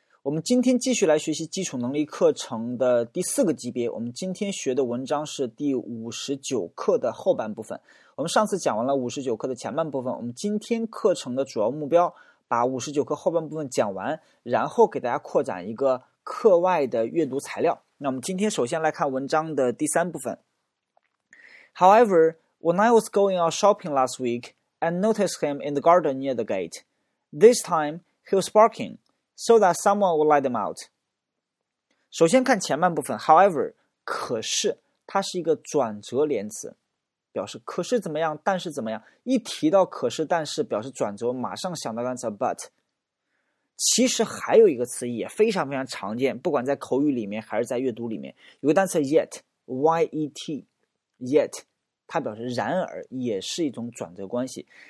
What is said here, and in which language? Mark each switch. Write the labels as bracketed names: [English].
[Chinese] 我们今天继续来学习基础能力课程的第四个级别，我们今天学的文章是第59课的后半部分。我们上次讲完了59课的前半部分，我们今天课程的主要目标把59课后半部分讲完，然后给大家扩展一个课外的阅读材料。那我们今天首先来看文章的第三部分。 [English] However, when I was going out shopping last week, I noticed him in the garden near the gate. This time, he was barking. So that someone will let them out. [Chinese] 首先看前半部分 ,however, 可是它是一个转折连词，表示可是怎么样，但是怎么样。一提到可是但是表示转折，马上想到单词 but。其实还有一个词也非常非常常见，不管在口语里面还是在阅读里面，有个单词 yet, 它表示然而，也是一种转折关系。